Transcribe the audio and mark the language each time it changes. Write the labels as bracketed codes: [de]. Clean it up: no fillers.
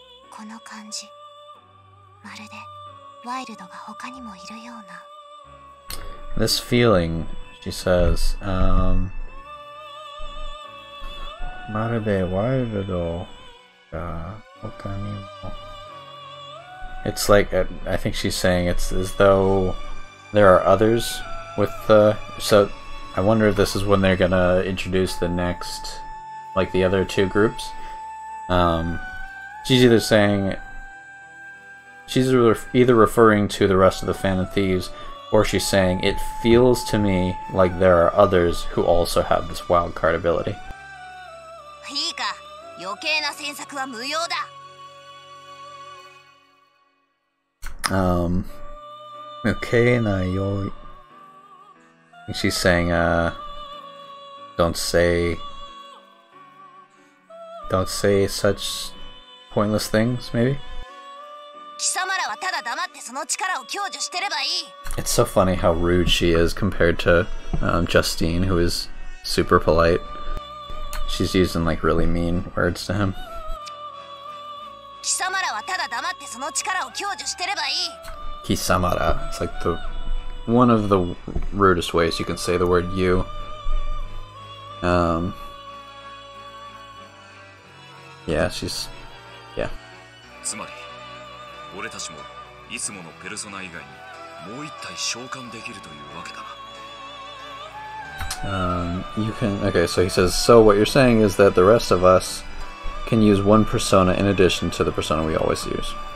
[ja] この感じ、まるでワイルドが他にもいるような。 [en] This feeling, she says, [ja] まるでワイルドが他にも。 [en] It's like, I think she's saying it's as though there are others with the... So,I wonder if this is when they're gonna introduce the next, like the other two groups. She's either saying, she's either referring to the rest of the Phantom Thieves, or she's saying, it feels to me like there are others who also have this wild card ability. [ja] いいか、余計な詮索は無用だ。余計な余計。 [en] She's saying, don't say such pointless things, maybe? [ja] 貴様らはただ黙ってその力を享受してればいい。 [en] It's so funny how rude she is compared to, Justine, who is super polite. She's using, like, really mean words to him. [ja] 貴様らはただ黙ってその力を享受してればいい。 [en] 貴様ら, it's like the... One of the rudest ways you can say the word you. [ja] つまり、俺たちもいつものペルソナ以外にもう一体召喚できるというわけだな。 [en] Okay, so he says, so what you're saying is that the rest of us can use one persona in addition to the persona we always use.